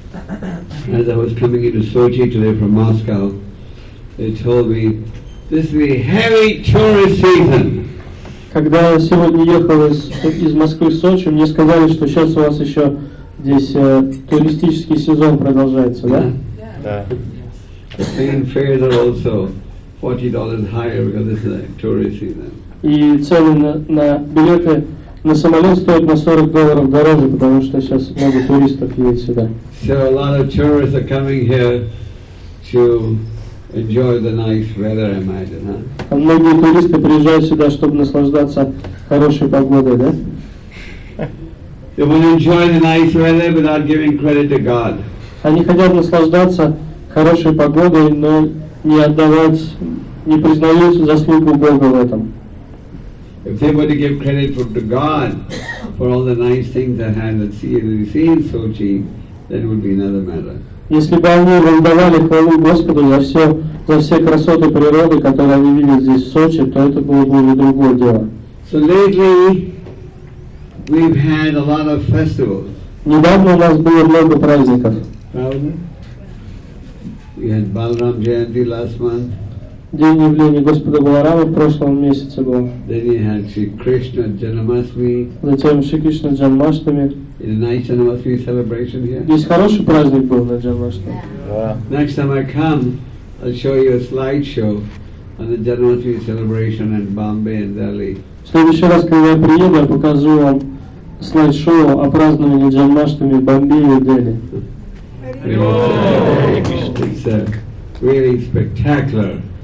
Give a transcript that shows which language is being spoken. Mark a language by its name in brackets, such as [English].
[English] Today from Moscow, they told me this is the heavy tourist season. [Russian] Когда я сегодня ехал из Москвы в Сочи, мне сказали, что сейчас у вас еще здесь туристический сезон продолжается, да? Да. [English] The fares are also $40 higher because this is a tourist season. [Russian] И цены на билеты на самолет стоят на $40 дороже, потому что сейчас много туристов едет сюда. [English] So a lot of tourists are coming here to enjoy the nice weather, I imagine. [Russian] А многие туристы приезжают сюда, чтобы наслаждаться хорошей погодой, да? [English] They want to enjoy the nice weather without giving credit to God. [Russian] Они хотят наслаждаться хорошей погодой, но не отдавать, не признают заслугу Бога в этом. [English] If they were to give credit to God for all the nice things that they see in Sochi, then it would be another matter. [Russian] Если бы они воздавали хвалу Господу за все красоты природы, которые они видят здесь в Сочи, то это было бы уже другое дело. [English] So lately we've had a lot of festivals. [Russian] Недавно у нас было много праздников. [English] We had Balram Jayanti last month. [Russian] День явления Господа Баларама в прошлом месяце был. [English] Then we had Sri Krishna Janmashtami. [Russian] Затем Шри Кришна Джанмаштами. [English] A nice Janmashtami celebration here. [Russian] Здесь хороший праздник был на Janmashtami. [English] Next time I come, I'll show you a slideshow on the Janmashtami celebration in Bombay and Delhi. [Russian] В следующий раз, когда я приеду, я покажу вам слайд-шоу о праздновании Janmashtami в Бомбее и Дели. [English] It's a really spectacular.